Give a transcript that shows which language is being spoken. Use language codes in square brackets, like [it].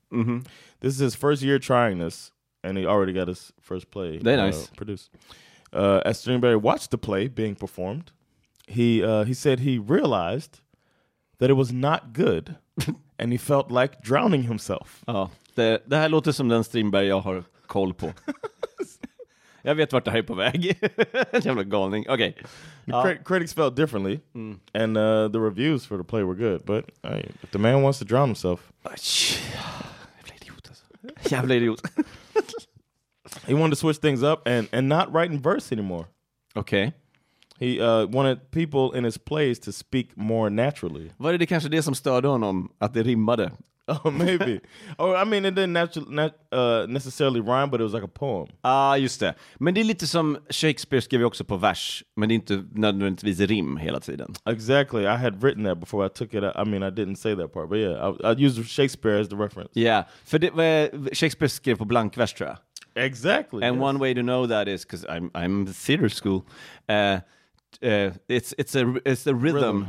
[en] Mm-hmm. This is his first year trying this. and he already got his first play. They're nice. Produced. As Strindberg watched the play being performed, he said he realized that it was not good, and he felt like drowning himself. [sv] Oh, det här låter som den Strindberg jag har koll på. Jag vet vart det här är på väg. Jävla galning. Okay. [en] Critics felt differently, and the reviews for the play were good, but hey, if the man wants to drown himself. [sv] Jävla idiot. Jävla idiot. [en] He wanted to switch things up and not write in verse anymore. Okay. He wanted people in his plays to speak more naturally. [sv] Var det kanske det som störde honom, att det rimmade? [en] Oh, maybe. Oh, I mean, it didn't necessarily rhyme, but it was like a poem. [sv] Ah, just det. Men det är lite som Shakespeare skrev också på vers, men det är inte nödvändigtvis rim hela tiden. [en] Exactly. I had written that before I took it. I mean, I didn't say that part, but yeah, I used Shakespeare as the reference. [sv] Yeah, för det, Shakespeare skrev på blank vers, tror jag. [en] Exactly. And yes. One way to know that is because I'm theater school. It's a rhythm.